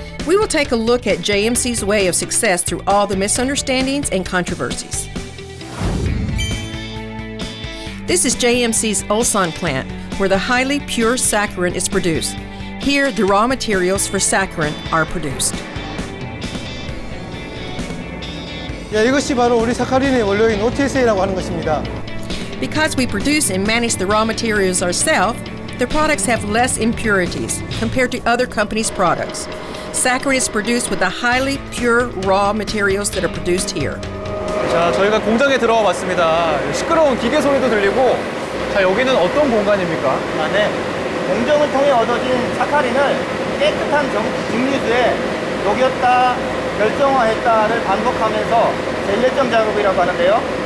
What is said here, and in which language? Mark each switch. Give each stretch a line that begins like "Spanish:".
English: We will take a look at JMC's way of success through all the misunderstandings and controversies. This is JMC's Ulsan plant, where the highly pure saccharin is produced. Here, the raw materials for saccharin are produced.
Korean: 야, 이것이 바로 우리 사카린의 원료인 OTSA라고 하는 것입니다.
English: Because we produce and manage the raw materials ourselves, the products have less impurities compared to other companies' products. Saccharin is produced with the highly pure raw materials that are produced here.
Korean: 자, 저희가 공장에 들어와 봤습니다. 시끄러운 기계 소리도 들리고, 자, 여기는 어떤 공간입니까? 아, 네. 공정을 통해 얻어진 사카린을 깨끗한 증류수에 녹였다, 결정화했다를 반복하면서 젤레점 작업이라고 하는데요.